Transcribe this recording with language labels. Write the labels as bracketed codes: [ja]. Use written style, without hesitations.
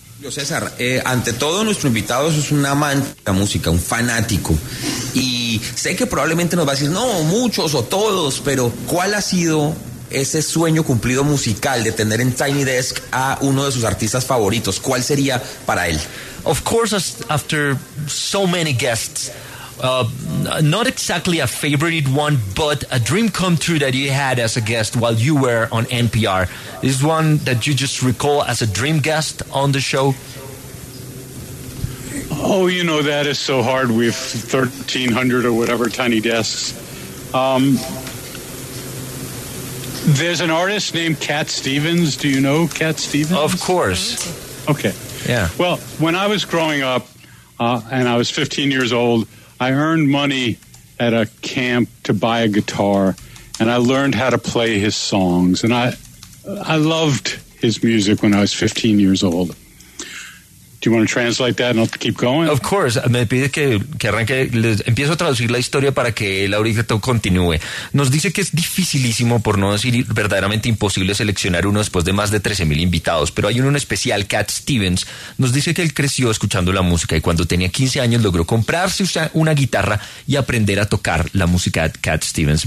[es] César, ante todo, nuestro invitado es un amante de la música, un fanático, y sé que probablemente nos va a decir, no, muchos o todos, pero ¿cuál ha sido ese sueño cumplido musical de tener en Tiny Desk a uno de sus artistas favoritos? ¿Cuál sería para él? [en] Of course, after so many guests, not exactly a favorite one, but a dream come true that you had as a guest while you were on NPR. Is one that you just recall as a dream guest on the show? Oh, you know, that is so hard. We have 1,300 or whatever Tiny Desks. There's an artist named Cat Stevens. Do you know Cat Stevens? Of course. Okay. Yeah. Well, when I was growing up, and I was 15 years old, I earned money at a camp to buy a guitar, and I learned how to play his songs. And I loved his music when I was 15 years old. Do you want to translate that and I'll keep going? Of course. [es] Me pide que arranque. Empiezo a traducir la historia para que el auricato continúe. Nos dice que es dificilísimo, por no decir verdaderamente imposible, seleccionar uno después de más de 13,000 invitados. Pero hay uno en especial, Cat Stevens. Nos dice que él creció escuchando la música y cuando tenía 15 años logró comprarse una guitarra y aprender a tocar la música de Cat Stevens.